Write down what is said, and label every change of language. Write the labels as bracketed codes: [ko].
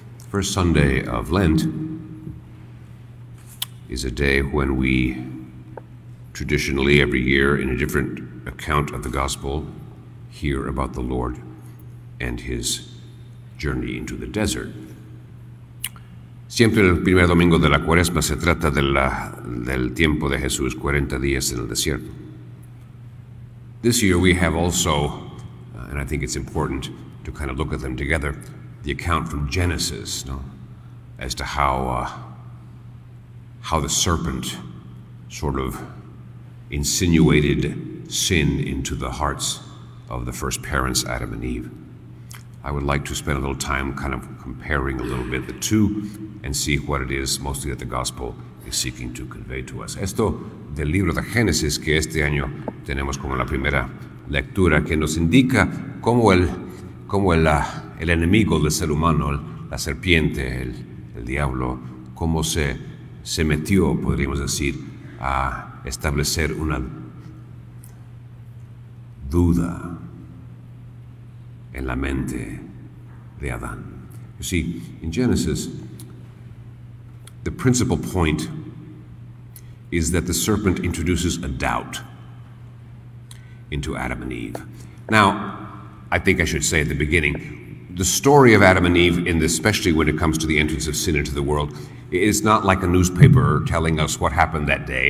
[en] First Sunday of Lent is a day when we traditionally, every year, in a different account of the gospel, hear about the Lord and his journey into the desert. [es] Siempre el primer domingo de la cuaresma se trata del tiempo de Jesús, 40 días en el desierto. [en] This year we have also, and I think it's important to kind of look at them together, the account from Genesis, no? As to how the serpent sort of insinuated sin into the hearts of the first parents, Adam and Eve. I would like to spend a little time kind of comparing a little bit the two and see what it is mostly that the gospel is seeking to convey to us. [es] Esto del libro de Génesis que este año tenemos como la primera lectura que nos indica cómo el enemigo del ser humano, la serpiente, el diablo, cómo se metió, podríamos decir, a establecer una duda en la mente de Adán. [en] You see, in Genesis, the principal point is that the serpent introduces a doubt into Adam and Eve. Now, I think I should say at the beginning, the story of Adam and Eve, especially when it comes to the entrance of sin into the world, is not like a newspaper telling us what happened that day.